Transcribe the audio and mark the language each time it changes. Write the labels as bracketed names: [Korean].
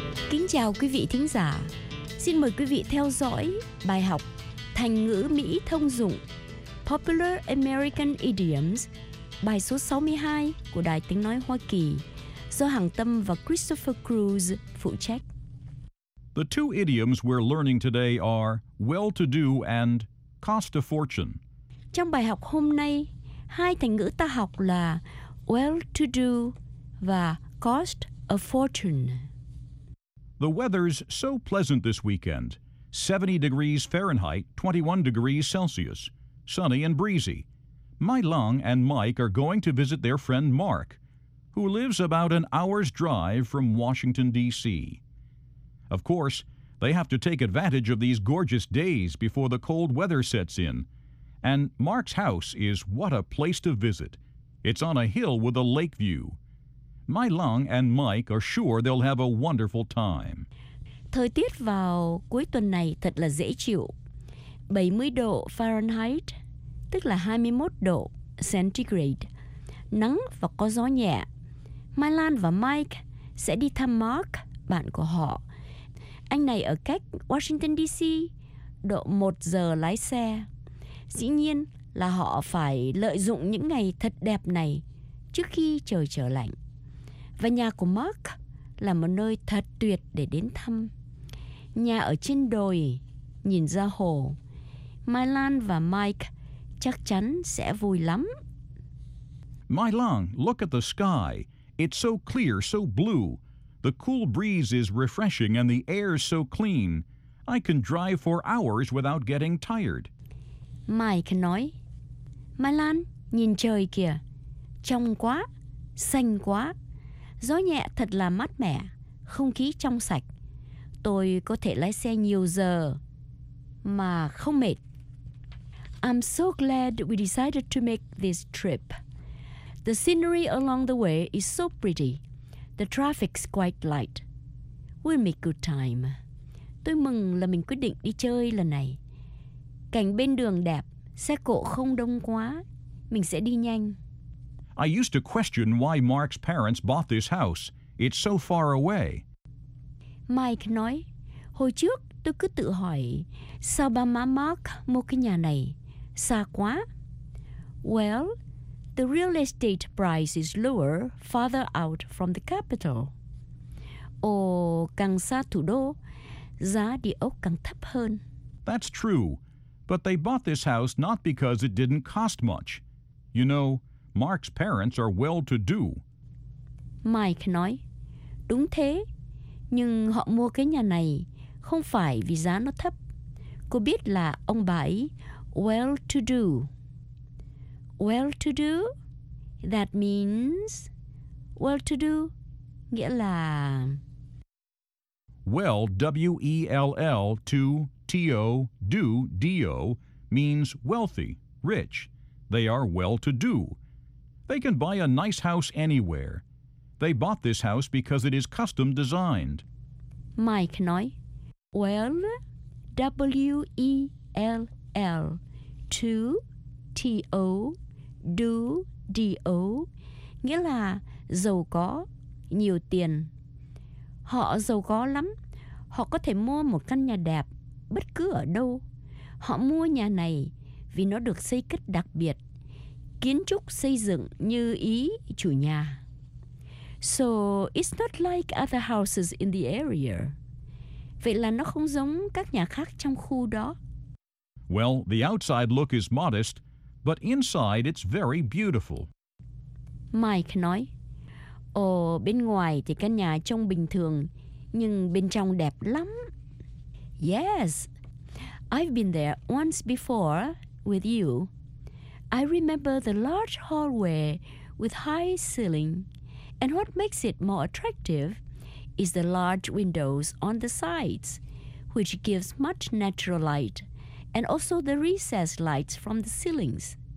[Vietnamese] Kính chào quý vị thính giả. Xin mời quý vị theo dõi bài học thành ngữ Mỹ thông dụng Popular American Idioms, bài số 62 của Đài Tiếng Nói Hoa Kỳ, do Hằng Tâm và Christopher Cruz phụ trách. [English] The two idioms we're learning today are well-to-do and cost a fortune. [Vietnamese] Trong bài học hôm nay, hai thành ngữ ta học là well-to-do và [English] cost a fortune. The weather's so pleasant this weekend. 70 degrees Fahrenheit, 21 degrees Celsius. sunny and breezy. My Lung and Mike are going to visit their friend Mark, who lives about an hour's drive from Washington, D.C. Of course, they have to take advantage of these gorgeous days before the cold weather sets in. And Mark's house is what a place to visit. It's on a hill with a lake view. My Lung and Mike are sure they'll have a wonderful time. [Vietnamese] Thời tiết vào cuối tuần này thật là dễ chịu. 70 độ Fahrenheit, tức là 21 độ Centigrade. Nắng và có gió nhẹ. Mai Lan và Mike sẽ đi thăm Mark, bạn của họ. Anh này ở cách Washington DC, độ 1 giờ lái xe. Dĩ nhiên là họ phải lợi dụng những ngày thật đẹp này trước khi trời trở lạnh. Và nhà của Mark là một nơi thật tuyệt để đến thăm. Nhà ở trên đồi, nhìn ra hồ. Mai Lan và Mike chắc chắn sẽ vui lắm. [English] Mai Lan, look at the sky. It's so clear, so blue. The cool breeze is refreshing and the air is so clean. I can drive for hours without getting tired. [Vietnamese] Mike nói, Mai Lan, nhìn trời kìa. Trong quá, xanh quá. Gió nhẹ thật là mát mẻ, không khí trong sạch. Tôi có thể lái xe nhiều giờ mà không mệt. [English] I'm so glad we decided to make this trip. The scenery along the way is so pretty. The traffic's quite light. We'll make good time. [Vietnamese] Tôi mừng là mình quyết định đi chơi lần này. Cảnh bên đường đẹp, xe cộ không đông quá. Mình sẽ đi nhanh. [English] I used to question why Mark's parents bought this house. It's so far away. [Vietnamese] Mike nói, hồi trước tôi cứ tự hỏi, sao ba má Mark mua cái nhà này? Xa quá. [English] Well, the real estate price is lower farther out from the capital. [Vietnamese] Ồ, càng xa thủ đô, giá địa ốc càng thấp hơn. [English] That's true. But they bought this house not because it didn't cost much. You know, Mark's parents are well-to-do. [Vietnamese] Mike nói, đúng thế, nhưng họ mua cái nhà này không phải vì giá nó thấp. Cô biết là ông bà ấy well-to-do. [English] Well-to-do, that means well-to-do, [Vietnamese] nghĩa là... [English] Well, W-E-L-L, to, T-O, do, D-O, means wealthy, rich. They are well-to-do. They can buy a nice house anywhere. They bought this house because it is custom designed. [Vietnamese] Mike nói, [English] well, W-E-L-L, to, T-O, do, D-O, [Vietnamese] nghĩa là giàu có, nhiều tiền. Họ giàu có lắm. Họ có thể mua một căn nhà đẹp bất cứ ở đâu. Họ mua nhà này vì nó được xây cất đặc biệt. Kiến trúc xây dựng như ý chủ nhà. [English] So, it's not like other houses in the area. [Vietnamese] Vậy là nó không giống các nhà khác trong khu đó. [English] Well, the outside look is modest, but inside it's very beautiful. [Vietnamese] Mike nói, ồ, bên ngoài thì căn nhà trông bình thường, nhưng bên trong đẹp lắm. [English] Yes, I've been there once before with you. I remember the large hallway with high ceiling. And what makes it more attractive is the large windows on the sides, which gives much natural light, and also the recessed lights from the ceilings.